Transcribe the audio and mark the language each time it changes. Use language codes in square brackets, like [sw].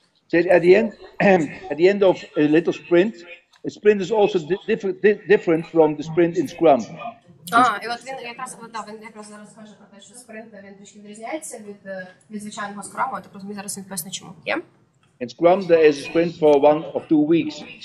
[en] So at the end of a little sprint, a sprint is also different from the sprint in Scrum. [uk] І от він якраз зараз каже про те, що спринт він трішки відрізняється від звичайного скраму, так розумію, зараз він поясню чому. [en] Yeah? In Scrum there is a sprint for 1 or 2 weeks.